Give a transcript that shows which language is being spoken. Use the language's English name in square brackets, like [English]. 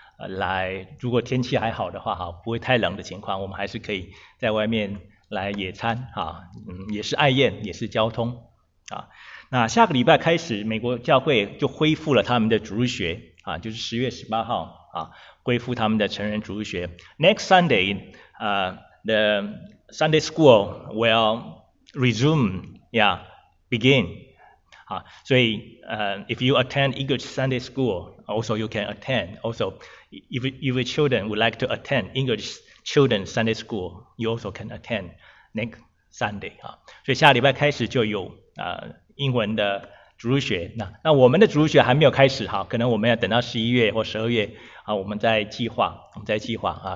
[Chinese] 来，如果天气还好的话，哈，不会太冷的情况，我们还是可以在外面来野餐，哈，也是爱宴，也是交通，啊，那下个礼拜开始，美国教会就恢复了他们的主日学，啊，就是10月18号，啊，恢复他们的成人主日学。 [English] Next Sunday, the Sunday school will resume, yeah, begin. 所以if you attend English Sunday School, also you can attend. Also, if your children would like to attend English Children Sunday School, you also can attend next Sunday.、啊、所以下礼拜开始就有英文的主日学。 [Chinese] 那我们的主日学还没有开始，好，可能我们要等到11月或12月、啊、我们再计划，我们再计划、啊。